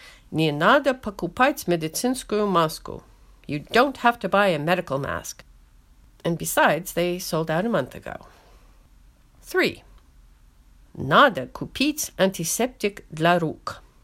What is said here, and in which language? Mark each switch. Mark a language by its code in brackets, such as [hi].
[ru] Не надо покупать медицинскую маску. [en] You don't have to buy a medical mask. And besides, they sold out a month ago. 3. [ru] Надо купить антисептик для рук.